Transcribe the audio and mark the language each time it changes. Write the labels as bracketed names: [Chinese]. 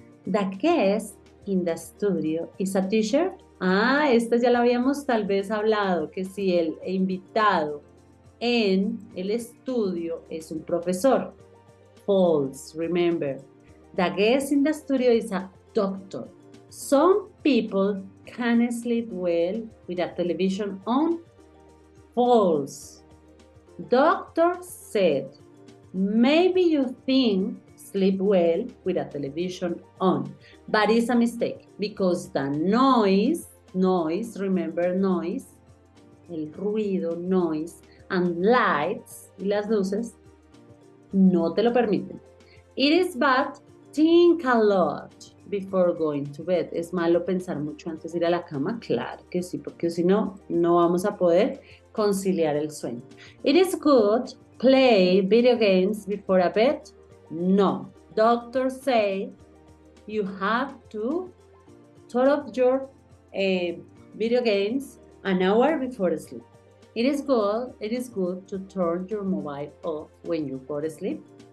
[English] The guest in the studio is a teacher. [Spanish] Esta ya la habíamos tal vez hablado, que si el invitado en el estudio es un profesor. [English] False, remember. The guest in the studio is a doctor. Some people can sleep well with a television on. False. Doctor said, maybe you think sleep well with a television on. But it's a mistake because the noise, remember noise, [Spanish] el ruido, [English] noise, and lights, [Spanish] y las luces, [English] no te lo permiten. It is bad, think a lot before going to bed. [Spanish] Es malo pensar mucho antes de ir a la cama. Claro que sí, porque si no, no vamos a poder conciliar el sueño. [English] It is good, play video games before a bed. No. Doctor say you have to turn off your video games an hour before sleep. It is good to turn your mobile off when you go to sleep.